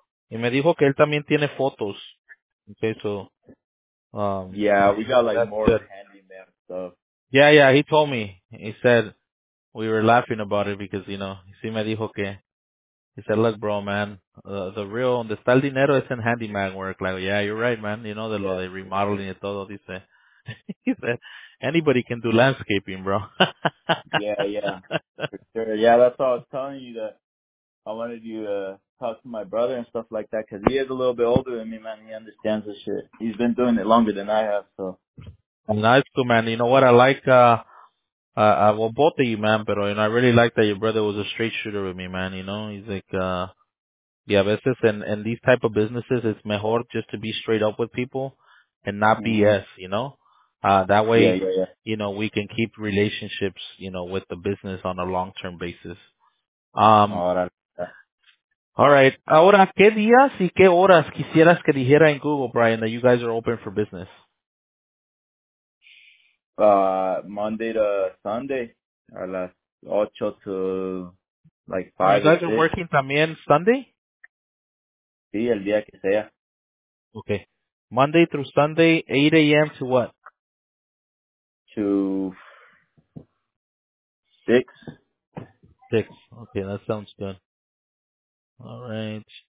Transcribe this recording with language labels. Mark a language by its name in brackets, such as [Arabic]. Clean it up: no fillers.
[Spanish] Y me dijo que él también tiene fotos. [English] Okay, so, yeah, we got like more handyman stuff. Yeah, he told me. He said, we were laughing about it because, you know, [Spanish] si me dijo que, [English] he said, look, bro, man, the real, [Spanish] donde está el dinero es en [English] handyman work. Like, yeah, you're right, man. You know, [Spanish] lo de [English] remodeling [Spanish] y todo, dice. [English] He said, anybody can do landscaping, bro. Yeah, for sure. Yeah, that's all I was telling you that. I wanted you to talk to my brother and stuff like that because he is a little bit older than me, man. He understands this shit. He's been doing it longer than I have, so. Nice too, man. You know what? I like, well, both of you, man, pero, you know, I really like that your brother was a straight shooter with me, man. You know, he's like, yeah, veces in these type of businesses, it's mejor just to be straight up with people and not BS, you know? That way, you know, we can keep relationships, you know, with the business on a long-term basis. All right. [Spanish] Ahora, ¿qué días y qué horas quisieras que dijera en Google, Brian, [English] that you guys are open for business? Monday to Sunday, [Spanish] a las [English] 8 to like 5. You guys six. Are working también Sunday? [Spanish] Sí, el día que sea. [English] Okay. Monday through Sunday, 8 a.m. to what? To 6. 6. Okay, that sounds good. All right.